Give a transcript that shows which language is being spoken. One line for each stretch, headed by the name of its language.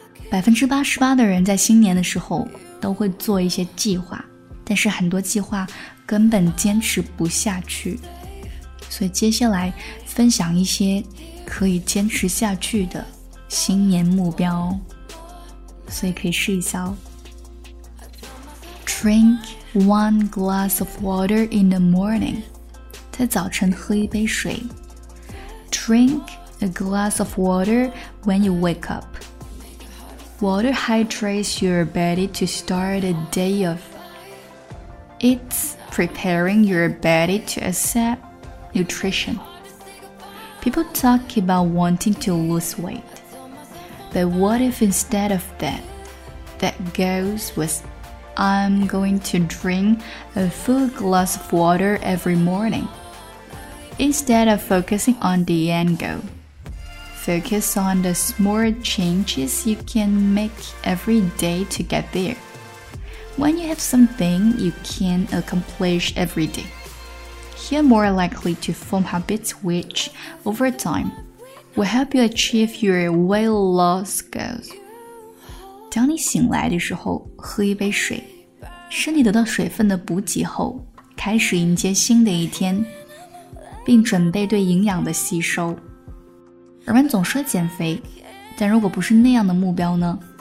Chinese: 88%的人在新年的时候都会做一些计划，但是很多计划根本坚持不下去，所以接下来分享一些可以坚持下去的新年目标，所以可以试一下哦。
English: Drink one glass of water in the morning.
Chinese: 在早晨喝一杯水。
English: Drink a glass of water when you wake up. Water hydrates your body to start the day off. It's preparing your body to accept nutrition. People talk about wanting to lose weight. But what if instead of that, that goes withI'm going to drink a full glass of water every morning. Instead of focusing on the end goal, focus on the small changes you can make every day to get there. When you have something you can accomplish every day, you're more likely to form habits which, over time, will help you achieve your weight loss goals.
Chinese: 当你醒来的时候，喝一杯水，身体得到水分的补给后，开始迎接新的一天，并准备对营养的吸收。人们总说减肥，但如果不是那样的目标呢？